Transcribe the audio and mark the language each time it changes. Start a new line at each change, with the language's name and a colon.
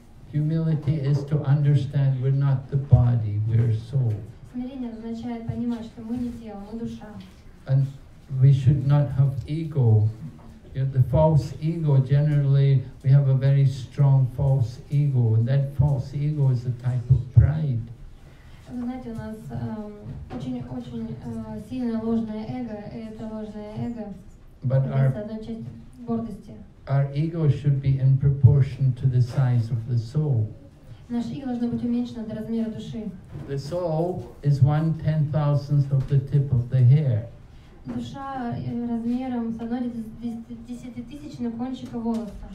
English: Humility is to understand we're not the body, we're soul.
Russian: Смирение означает понимать, что мы не тело, мы душа.
English: And we should not have ego. You know, the false ego, generally, we have a very strong false ego, and that false ego is a type of pride.
Russian: Вы знаете, у нас очень-очень сильное ложное эго, и это ложное эго является одной частью гордости.
English: Our ego should be in proportion to the size of the soul.
Russian: Наше эго должно быть уменьшено до размера души.
English: The soul is 1/10 of the tip of the hair.
Russian: Душа размером с 1/10 кончика волоса.